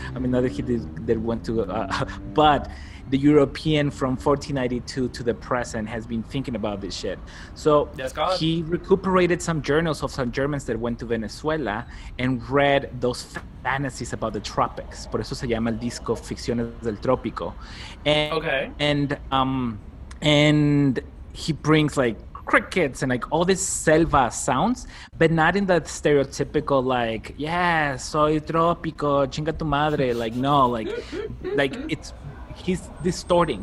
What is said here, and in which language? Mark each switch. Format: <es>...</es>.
<en>I mean, not that he did went to, but the European from 1492 to the present has been thinking about this shit. So he recuperated some journals of some Germans that went to Venezuela and read those fantasies about the tropics.</en> <es>Por eso se llama el disco Ficciones del Trópico.</es> <en>And he brings like crickets and like all these selva sounds, but not in that stereotypical like, yeah,</en> <es>soy trópico, chinga tu madre.</es> <en>Like, no, like it's, he's distorting.</en>